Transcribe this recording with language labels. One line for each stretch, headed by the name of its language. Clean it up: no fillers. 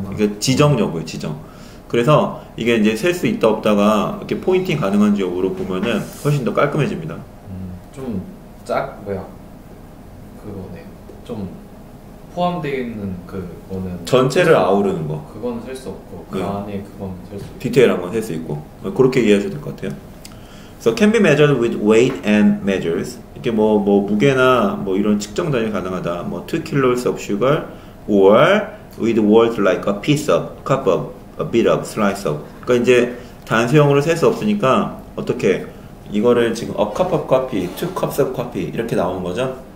Korean: 이게 지정 여부예요, 지정. 그래서 이게 이제 셀 수 있다 없다가 이렇게 포인팅 가능한 지역으로 보면은 훨씬 더 깔끔해집니다. 좀 짝 뭐야? 그거네. 좀 포함되어 있는 그거는 전체를 아우르는 거. 그건 셀 수 없고 그 네. 안에 그건 셀 수 있고 디테일한 건 셀 수 있고 그렇게 이해하셔도 될 것 같아요.
English: So can be measured with weight and measures.
Korean: 이게 뭐 무게나 뭐 이런 측정 단위 가능하다.
English: 뭐 2 kilos of sugar or with words like a piece of, cup of, a bit of, slice of.
Korean: 그러니까 이제 단수형으로 셀 수 없으니까 어떻게 이거를 지금
English: a cup of coffee, two cups of coffee
Korean: 이렇게 나오는 거죠.